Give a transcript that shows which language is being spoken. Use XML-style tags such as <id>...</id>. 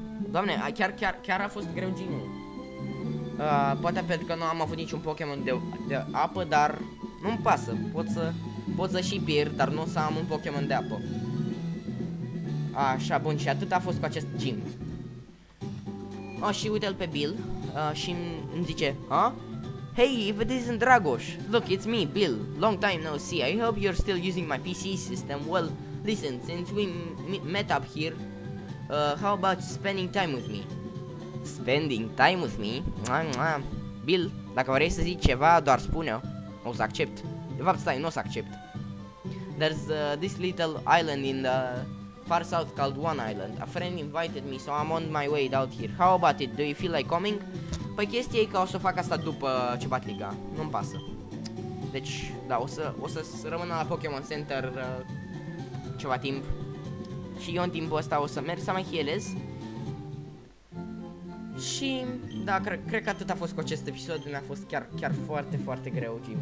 <ro>Doamne, chiar a fost greu gym-ul. Poate pentru că nu am avut niciun Pokémon de apă, dar nu-mi pasă. Pot să și pierd, dar nu o să am un Pokémon de apă. Așa, bun, și atât a fost cu acest gym. Și uite-l pe Bill și îmi zice, huh?</ro> <en>Hey, if it isn't Dragoș, look, it's me, Bill. Long time no see, I hope you're still using my PC system. Well, listen, since we met up here, how about spending time with me? Spending time with me?</en> <ro>Bill, dacă vrei să zici ceva, doar spune-o. O să accept. De fapt, stai, nu o să accept.</ro> <en>There's this little island in the... far south called One Island. A friend invited me, so I'm on my way out here. How about it? Do you feel like coming?</en> <ro>Păi chestia e că o să fac asta după ce bat liga. Nu-mi pasă. Deci, da, o să rămână la Pokémon Center ceva timp. Și eu în timpul ăsta o să merg să mai healez. Și, da, cred că atât a fost cu acest episod. Mi-a fost chiar foarte, foarte greu, Jim.</ro>